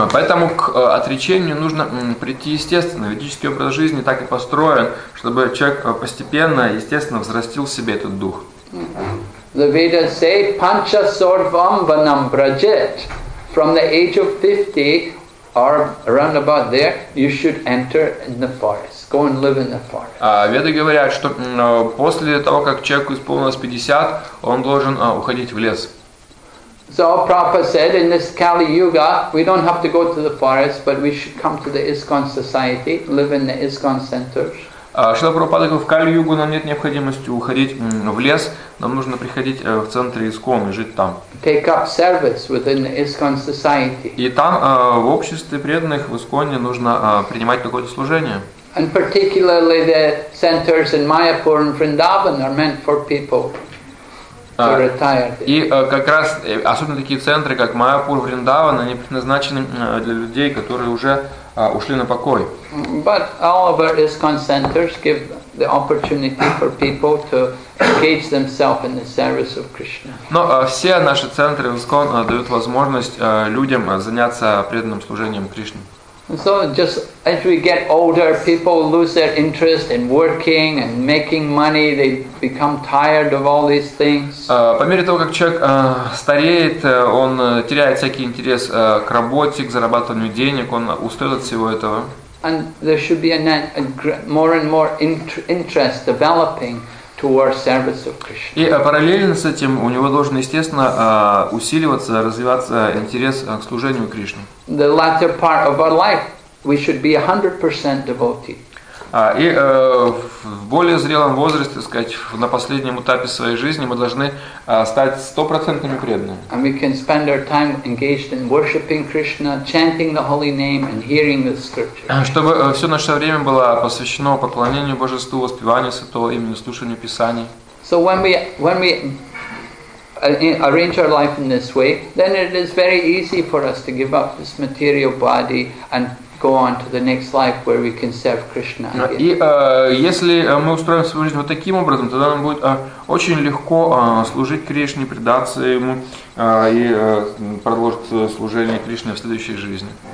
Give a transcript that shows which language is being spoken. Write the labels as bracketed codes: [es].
[ru] Поэтому к отречению нужно прийти естественно. Ведический образ жизни так и построен, чтобы человек постепенно, естественно, взрастил в себе этот дух. [en] The Vedas say, [sa] "Pancha sorvam vanam brajit." [en] From the age of 50 or around about there, you should enter in the forest. Go and live in the forest. [ru] Веды говорят, что после того, как человеку исполнилось 50, он должен уходить в лес. [en] So Prabhupada said, in this Kali Yuga, we don't have to go to the forest, but we should come to the ISKCON society, live in the ISKCON centers. [ru] Шрила Прабхупада говорит, в Кали-Югу нам нет необходимости уходить в лес, нам нужно приходить в центр ИСКОН и жить там. [en] Take up service within the ISKCON society. [ru] И там, в обществе преданных, в ИСКОНе, нужно принимать какое-то служение. [en] And particularly the centers in Mayapur and Vrindavan are meant for people to retire. [ru] И как раз, особенно такие центры, как Майяпур, Вриндаван, они предназначены для людей, которые уже ушли на покой. [en] But all of our ISKCON centers give the opportunity for people to engage themselves in the service of Krishna. [ru] Но все наши центры ISKCON дают возможность людям заняться преданным служением Кришне. [en] So just as we get older, people lose their interest in working and making money. They become tired of all these things. [ru] По мере того, как человек стареет, он теряет всякий интерес к работе, к зарабатыванию денег, он устает от всего этого. [en] And there should be more and more interest developing towards service of Krishna. [ru] И параллельно с этим у него должен, естественно, усиливаться, развиваться интерес к служению Кришне. [en] The latter part of our life, we should be 100% devotee. [ru] И в более зрелом возрасте, так сказать, на последнем этапе своей жизни, мы должны стать 100% преданными. [en] And we can spend our time engaged in worshiping Krishna, chanting the holy name and hearing the scriptures. [ru] Чтобы все наше время было посвящено поклонению Божеству, воспеванию Святого имени, слушанию Писаний. [en] So when we arrange our life in this way, then it is very easy for us to give up this material body and go on to the next life where we can serve Krishna. [ru] И если мы устроим свою жизнь вот таким образом, тогда нам будет очень легко служить Кришне, предаться ему и продолжить служение Кришне в следующей жизни.